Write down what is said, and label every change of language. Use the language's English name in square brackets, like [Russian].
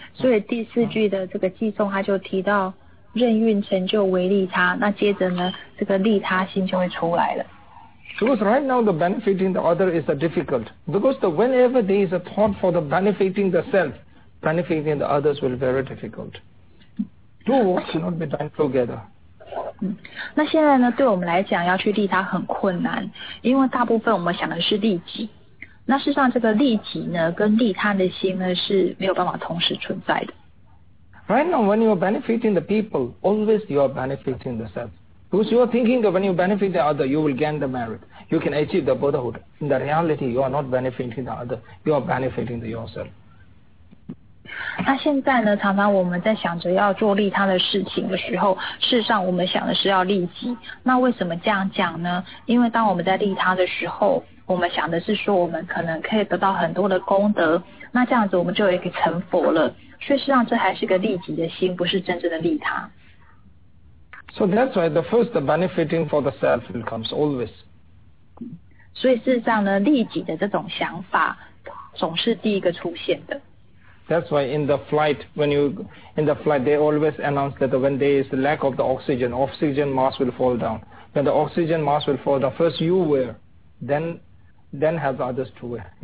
[Chinese] 所以第四句的这个偈颂，他就提到任运成就为利他，那接着呢，这个利他心就会出来了。 [English] Because right now the benefiting the other is difficult. Because whenever there is a thought for the benefiting the self, benefiting the others will be very difficult. Two works cannot be done together. [Chinese] 嗯、那现在呢对我们来讲要去利他很困难，因为大部分我们想的是利己，那事实上这个利己呢跟利他的心呢是没有办法同时存在的。 [English] Right now when you are benefiting the people, always you are benefiting the self. Because you are thinking that when you benefit the other, you will gain the merit, you can achieve the Buddhahood. In the reality, you are not benefiting the other, you are benefiting the yourself. [Chinese] 那现在呢，常常我们在想着要做利他的事情的时候，事实上我们想的是要利己。那为什么这样讲呢？因为当我们在利他的时候，我们想的是说我们可能可以得到很多的功德，那这样子我们就有一个成佛了。所以事实上这还是个利己的心，不是真正的利他。 [English] So that's why the first benefiting for the self comes always. [Chinese] 所以事实上呢，利己的这种想法总是第一个出现的。 [English] That's why in the flight, they always announce that when there is a lack of the oxygen mask will fall down. When the oxygen mask will fall down, first you wear, then have others to wear.